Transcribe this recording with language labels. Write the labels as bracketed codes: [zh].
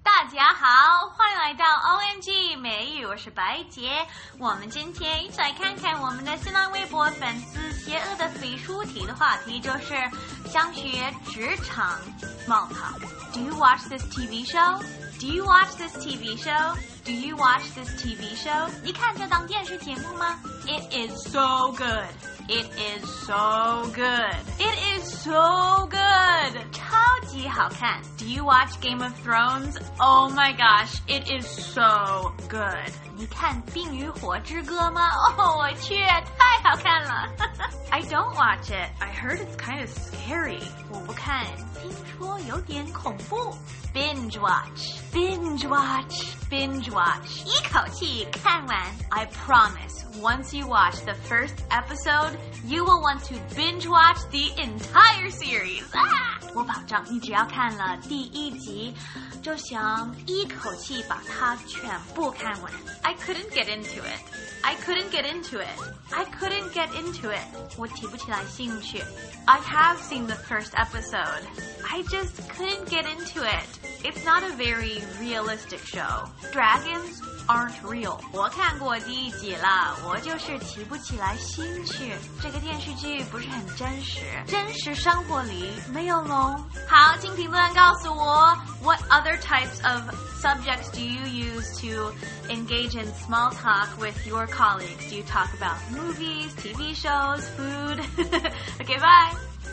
[zh] 家好，欢迎来到 OMG 美语，我是白杰。我们今天一起来看看我们的新浪微博粉丝邪恶的肥书题的话题，就是想学职场冒泡。 [en] Do you watch this TV show? Do you watch this TV show? Do you watch this TV show? [zh] 你看这档电视节目吗？ [en] It is so good. It is so good. It is so good. [zh] 超级好看。 [en] Do you watch Game of Thrones? Oh my gosh, it is so good. [zh] 你看《冰与火之歌》吗？哦，我去，太好看了。 [en] I don't watch it. I heard it's kind of scary. [zh] 我不看，听说有点恐怖。 [en] Binge watch. Binge watch. Binge watch. [zh] 一口气看完。 [en] I promise, once you watch the first episode, you will want to binge watch the entire series. Ah! [zh] 我保证你只要看了第一集就想一口气把它全部看完。 [en] I couldn't get into it. I couldn't get into it. I couldn't get into it. [zh] 我提不起来兴趣。 [en] I have seen the first episode. I just couldn't get into it. It's not a very realistic show. Dragons aren't real. [zh] 我看过第一集了，我就是提不起来兴趣。这个电视剧不是很真实，真实生活里没有龙。好，请评论告诉我 [en] ，What other types of subjects do you use to engage in small talk with your colleagues? Do you talk about movies, TV shows, food? Okay, bye.